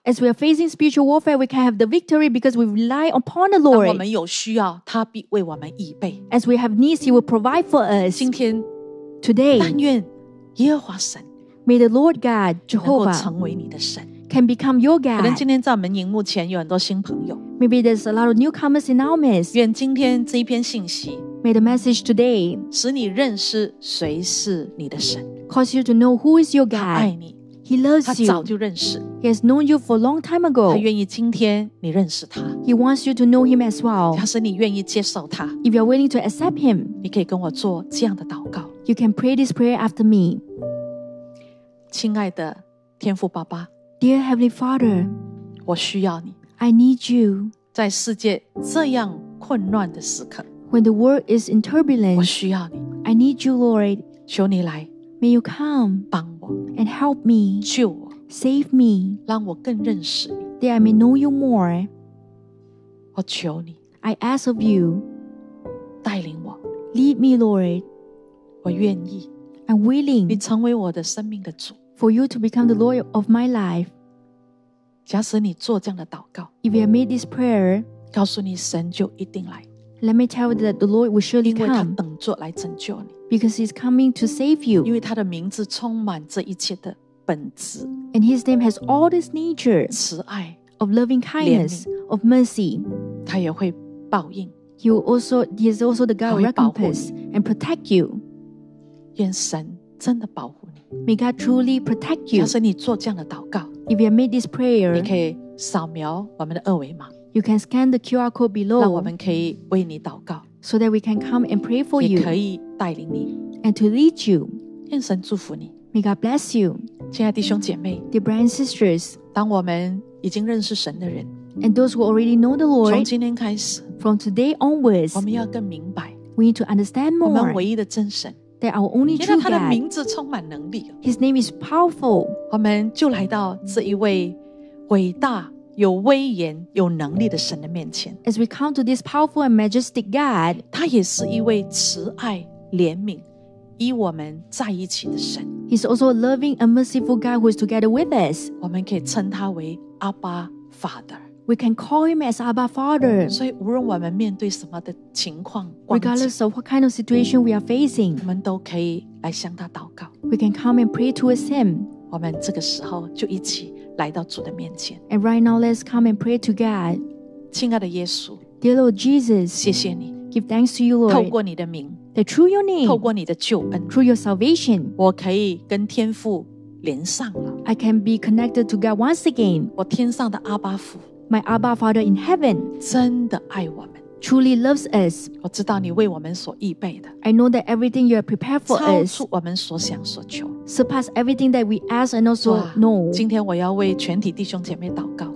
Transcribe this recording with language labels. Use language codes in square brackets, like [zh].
[en] As we are facing spiritual warfare we can have the victory because we rely upon the Lord [zh] 当我们有需要他必为我们预备 [en] As we have needs he will provide for us [zh] 今天 [en] Today [zh] 但愿耶和华神 [en] May the Lord God, Jehovah, [zh] 能够成为你的神 [en] can become your God. [zh] 可能今天在我们荧幕前有很多新朋友 [en] Maybe there's a lot of newcomers in our midst. [zh] 愿今天这一篇信息 [en] May the message today [zh] 使你认识谁是你的神 [en] Cause you to know who is your God. [zh] 他爱你 [en] He loves you. [zh] 他早就认识 [en] He has known you for a long time ago. [zh] 他愿意今天你认识他 [en] He wants you to know him as well. [zh] 要是你愿意接受他 [en] If you're willing to accept him, [zh] 你可以跟我做这样的祷告 [en] You can pray this prayer after me. [zh] 亲爱的天父爸爸 [en] Dear Heavenly Father [zh] 我需要你 [en] I need you [zh] 在世界这样困乱的时刻 [en] When the world is in turbulence [zh] 我需要你 [en] I need you Lord [zh] 求你来 [en] May you come [zh] 帮我 [en] And help me [zh] 救我 [en] Save me [zh] 让我更认识你 [en] That I may know you more [zh] 我求你 [en] I ask of you [zh] 带领我 [en] Lead me Lord [zh] 我愿意 [en] I'm willing [zh] 你成为我的生命的主 [en] for you to become the Lord of my life [zh] 假使你做这样的祷告 [en] if you have made this prayer [zh] 告诉你神就一定来 [en] let me tell you that the Lord will surely come [zh] 因为他等着来拯救你 [en] because he's coming to save you [zh] 因为他的名字充满这一切的本质 [en] and his name has all this nature [zh] 慈爱 [en] of loving kindness of mercy [zh] 他也会报应 [en] he is also the God of recompense and protect you [zh] 愿神真的保护你 [en] May God truly protect you [zh] 要是你做这样的祷告 [en] If you made this prayer [zh] 你可以扫描我们的二维码 [en] You can scan the QR code below [zh] 让我们可以为你祷告 [en] So that we can come and pray for you [zh] 也可以带领你 [en] And to lead you [zh] 愿神祝福你 [en] May God bless you [zh] 亲爱弟兄姐妹 [en] Dear brothers and sisters [zh] 当我们已经认识神的人 [en] And those who already know the Lord [zh] 从今天开始 [en] From today onwards [zh] 我们要更明白 [en] We need to understand more [zh] 我们唯一的真神 [en] That our only true God. [zh] 因为他的名字充满能力。 [en] His name is powerful. [zh] 我们就来到这一位伟大、有威严、有能力的神的面前。 [en] As we come to this powerful and majestic God, [zh] 他也是一位慈爱、怜悯、与我们在一起的神。 [en] He's also a loving and merciful God who is together with us. [zh] 我们可以称他为 Abba Father. [en] We can call him as Abba Father. [zh] 所以无论我们面对什么的情况。 [en] Regardless of what kind of situation we are facing, [zh] 我们都可以来向他祷告。 [en] We can come and pray towards him. [zh] 我们这个时候就一起来到主的面前。 [en] And right now, let's come and pray to God. [zh] 亲爱的耶稣 [en] Dear Lord Jesus, [zh] 谢谢你。 [en] Give thanks to you, Lord. [zh] 透过你的名 [en] That through your name, [zh] 透过你的救恩 [en] through your salvation, [zh] 我可以跟天父连上了。 [en] I can be connected to God once again. [zh] 我天上的阿爸父 [en] My Abba Father in heaven, [zh] 真的爱我们。 [en] truly loves us. [zh] 我知道你为我们所预备的。 [en] I know that everything you have prepared for us. [zh] 超出我们所想所求。 [en] Surpass everything that we ask and also know. [zh] 今天我要为全体弟兄姐妹祷告。